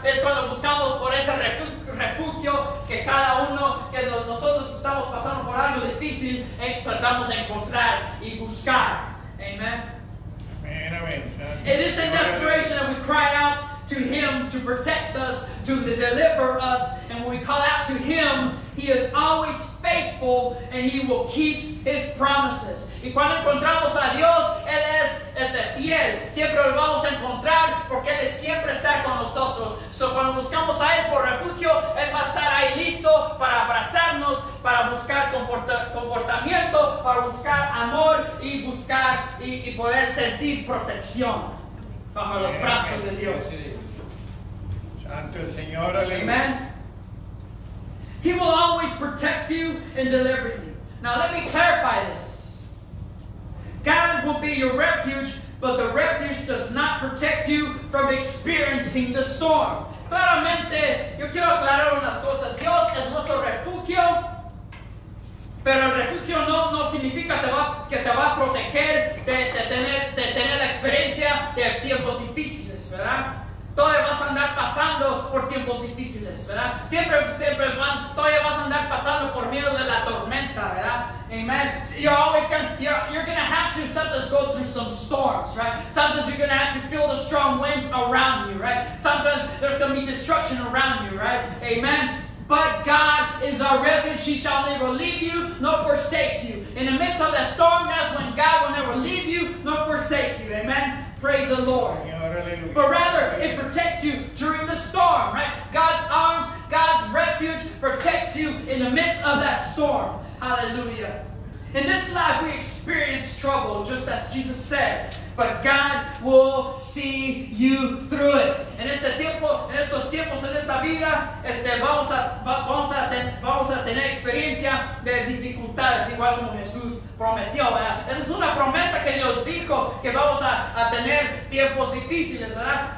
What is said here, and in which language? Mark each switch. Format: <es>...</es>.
<es>Es cuando buscamos por ese refugio que cada uno, que nosotros estamos pasando por algo difícil, tratamos de encontrar y buscar. Amen. Amen, amen.</es> <en>It is in desperation that we cry out to Him to protect us, to deliver us, and when we call out to Him, He is always faithful and He will keep His promises.</en> <es>Y cuando encontramos a Dios, Él es fiel. Siempre lo vamos a encontrar porque Él siempre está con nosotros. So cuando buscamos a Él por refugio, Él va a estar ahí listo para abrazarnos, para buscar comportamiento, para buscar amor y buscar y poder sentir protección bajo los brazos de Dios. Santo el Señor, aleluya. Amen.</es> <en>He will always protect you and deliver you. Now let me clarify this. God will be your refuge, but the refuge does not protect you from experiencing the storm.</en> <es>Claramente, yo quiero aclarar unas cosas. Dios es nuestro refugio, pero el refugio no significa que te va a proteger de tener la experiencia de tiempos difíciles, ¿verdad? Todavía vas a andar pasando por tiempos difíciles, ¿verdad? Siempre, Juan, todavía vas a andar pasando por miedo de la tormenta, ¿verdad?</es> <en>Amen. You're going to have to sometimes go through some storms, right? Sometimes you're going to have to feel the strong winds around you, right? Sometimes there's going to be destruction around you, right? Amen. But God is our refuge. He shall never leave you nor forsake you. In the midst of that storm, that's when God will never leave you nor forsake you. Amen. Praise the Lord. But rather, it protects you during the storm, right? God's arms, God's refuge protects you in the midst of that storm. Hallelujah. In this life, we experience trouble, just as Jesus said. But God will see you through it.</en> <es>En este tiempo, en estos tiempos, en esta vida, vamos a tener experiencia de dificultades, igual como Jesús prometió, ¿verdad? Esa es una promesa que Dios dijo, que vamos a tener tiempos difíciles, ¿verdad?</es>